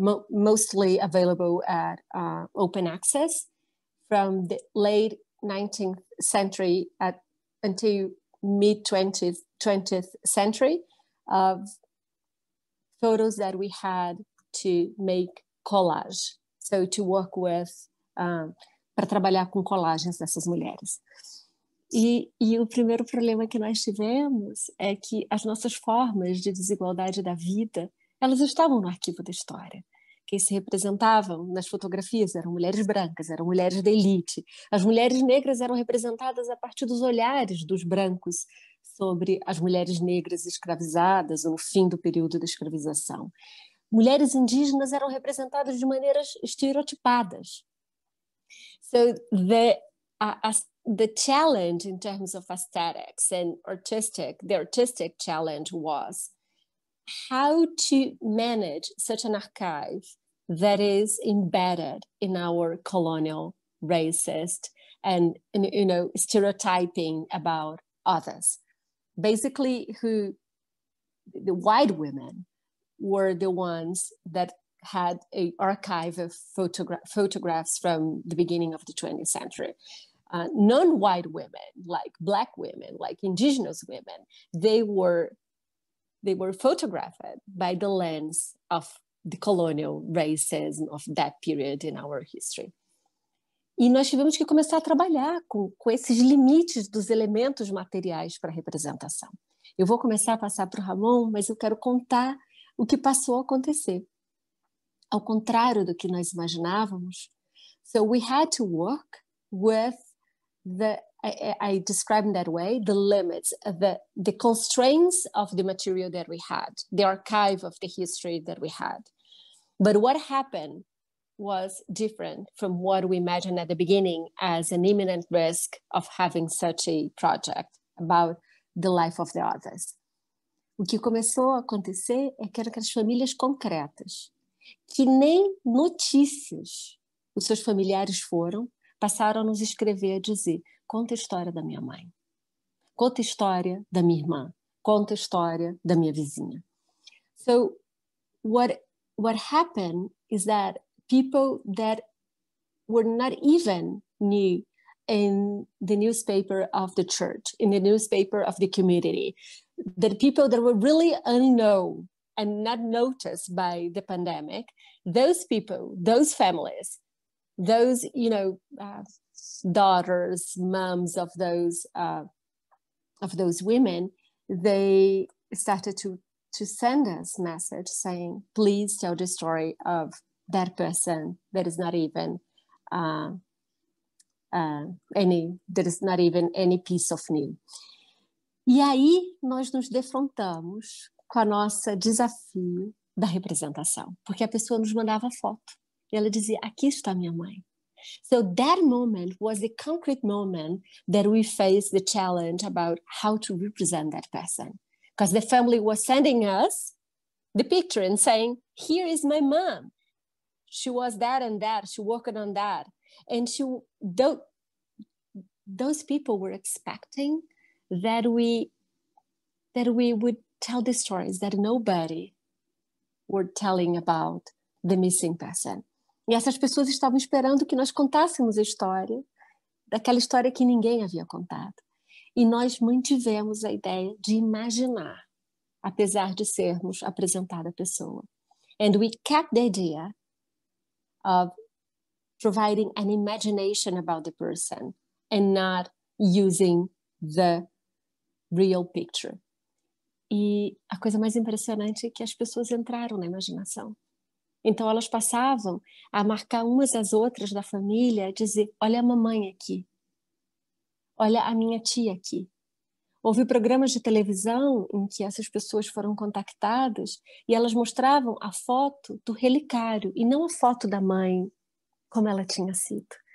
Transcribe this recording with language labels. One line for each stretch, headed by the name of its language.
English: mostly available at open access from the late 19th century until mid 20th century of photos that we had to make collage, so to work with,
Portuguese: para trabalhar com colagens dessas mulheres. E o primeiro problema que nós tivemos é que as nossas formas de desigualdade da vida, elas estavam no arquivo da história. Quem se representavam nas fotografias eram mulheres brancas, eram mulheres da elite. As mulheres negras eram representadas a partir dos olhares dos brancos sobre as mulheres negras escravizadas ou no fim do período da escravização. Mulheres indígenas eram representadas de maneiras estereotipadas.
English: So the challenge in terms of aesthetics and the artistic challenge was how to manage such an archive that is embedded in our colonial racist and you know, stereotyping about others. Basically, the white women were the ones that had an archive of photographs from the beginning of the 20th century. Non-white women, like Black women, like Indigenous women, they were photographed by the lens of the colonial racism of that period in our history.
Portuguese: E nós tivemos que começar a trabalhar com esses limites dos elementos materiais para a representação. Eu vou começar a passar para o Ramon, mas eu quero contar o que passou a acontecer. Ao contrário do que nós imaginávamos,
English: so we had to work with I described that way, the limits, the constraints of the material that we had, the archive of the history that we had. But what happened was different from what we imagined at the beginning as an imminent risk of having such a project about the life of the others.
Portuguese: O que começou a acontecer é que eram aquelas famílias concretas, que nem notícias os seus familiares foram, passaram a nos escrever a dizer, conta a história da minha mãe, conta a história da minha irmã, conta a história da minha vizinha.
English: So, what happened is that people that were not even knew in the newspaper of the church, in the newspaper of the community, that people that were really unknown and not noticed by the pandemic, those people, those families, those, you know, daughters, moms of those women, they started to send us message saying, please tell the story of that person that is not even any piece of new.
Portuguese: E aí nós nos defrontamos com a nossa desafio da representação, porque a pessoa nos mandava foto. E ela dizia, aqui está minha mãe.
English: So that moment was the concrete moment that we faced the challenge about how to represent that person. Because the family was sending us the picture and saying, here is my mom. She was that and that, she working on that. And those people were expecting that we would tell the stories that nobody were telling about the missing person.
Portuguese: E essas pessoas estavam esperando que nós contássemos a história, daquela história que ninguém havia contado. E nós mantivemos a ideia de imaginar, apesar de sermos apresentada a pessoa.
English: And we kept the idea of providing an imagination about the person and not using the real picture.
Portuguese: E a coisa mais impressionante é que as pessoas entraram na imaginação. Então elas passavam a marcar umas às outras da família, a dizer, olha a mamãe aqui, olha a minha tia aqui. Houve programas de televisão em que essas pessoas foram contactadas e elas mostravam a foto do relicário e não a foto da mãe como ela tinha sido.